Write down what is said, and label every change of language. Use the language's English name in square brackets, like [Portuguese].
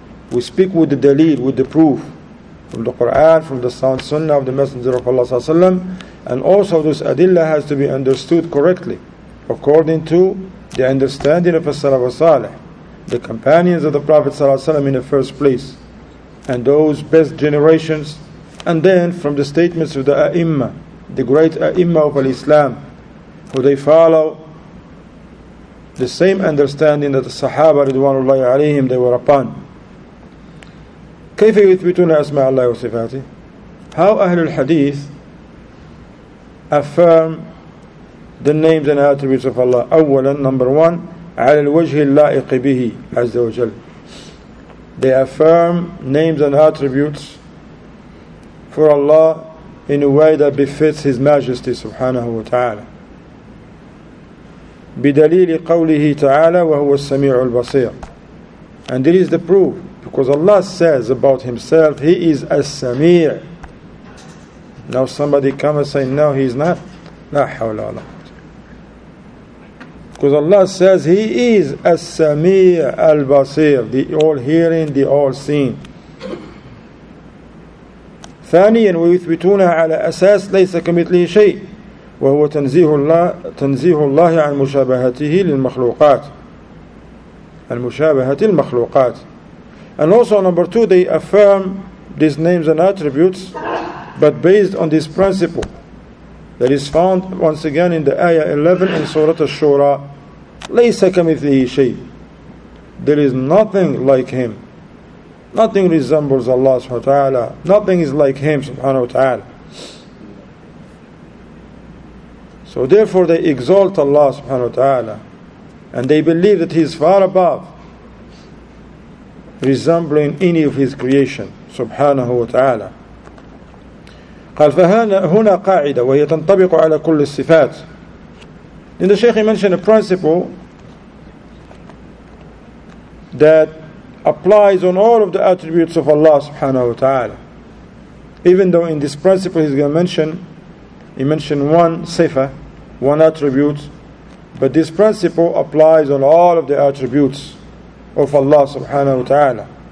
[English] We speak with the dalil, with the proof. From the Quran, from the sound sunnah of the Messenger of Allah Sallallahu Alaihi Wasallam, and also this adillah has to be understood correctly, according to the understanding of As-Salaf As-Salih, the companions of the Prophet Sallallahu Alaihi Wasallam in the first place, and those best generations, and then from the statements of the A'imma, the great A'imma of Al-Islam, who they follow the same understanding that the Sahaba Ridwanullahi Alayhim they were upon. [Arabic] كيف يثبتون أسماء الله وصفاته؟ [English] How [Arabic] أهل الحديث [English] affirm the names and attributes of Allah؟ [Arabic] أولا, [English] number one, [Arabic] على الوجه اللائق به عز وجل. [English] They affirm names and attributes for Allah in a way that befits His Majesty subhanahu wa ta'ala. [Arabic] بِدَلِيلِ قَوْلِهِ تَعَالَى وَهُوَ السَّمِيعُ الْبَصِيرُ. [English] And there is the proof, because Allah says about Himself, He is As-Sami'. Now somebody come and say, no, He is not. [Arabic] لَا حَوْلَ وَلَا قُوَّةَ. [English] Because Allah says, He is As-Sami'u al-Basir, the all-hearing, the all-seeing. [Arabic] ثانياً ويثبتون على أساس ليس كمثله شيء وهو تنزيه الله عن مشابهته للمخلوقات المشابهة المخلوقات. [English] And also number two, they affirm these names and attributes, but based on this principle that is found once again in the ayah 11 in Surah Ash-Shura, [Arabic] ليس كمثله شيء. [English] There is nothing like him. Nothing resembles Allah subhanahu wa ta'ala. Nothing is like Him subhanahu wa ta'ala. So therefore they exalt Allah subhanahu wa ta'ala. And they believe that He is far above, resembling any of His creation subhanahu wa ta'ala. [Arabic] قال فهنا قاعدة وهي تنطبق على كل الصفات. [English] Then the Shaykh mentioned a principle that applies on all of the attributes of Allah subhanahu wa ta'ala. Even though in this principle he mentioned one sifa, one attribute, but this principle applies on all of the attributes of Allah subhanahu wa ta'ala.